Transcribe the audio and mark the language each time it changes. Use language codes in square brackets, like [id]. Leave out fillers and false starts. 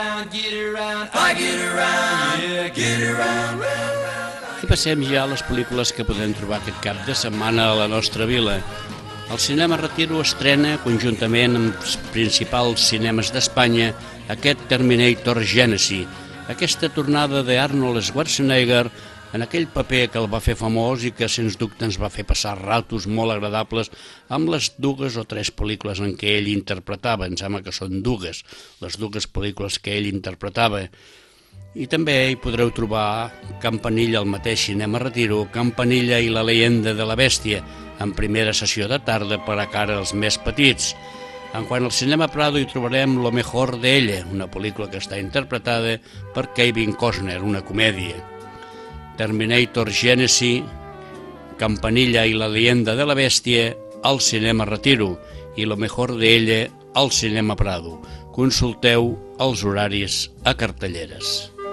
[en] get around, I get around, yeah, get around, round, round. [ca] I passem ja a les pel·lícules que podem trobar aquest cap de setmana a la nostra vila. El Cinema Retiro estrena, conjuntament amb els principals cinemes d'Espanya, aquest Terminator Genesis, aquesta tornada d'Arnold Schwarzenegger en aquell paper que el va fer famós i que, sens dubte, ens va fer passar ratos molt agradables amb les dues o tres pel·lícules en què ell interpretava. Em sembla que són dues, les dues pel·lícules que ell interpretava. I també hi podreu trobar Campanilla, el mateix Cinema Retiro, Campanilla i la Leyenda de la Bèstia, en primera sessió de tarda per a cara als més petits. En quant al Cinema Prado, hi trobarem Lo Mejor de Ella, una pel·lícula que està interpretada per Kevin Costner, una comèdia. Terminator Genesis, Campanilla i la Leyenda de la Bèstia, al Cinema Retiro, i Lo Mejor de Ella, al Cinema Prado. Consulteu els horaris a cartelleres.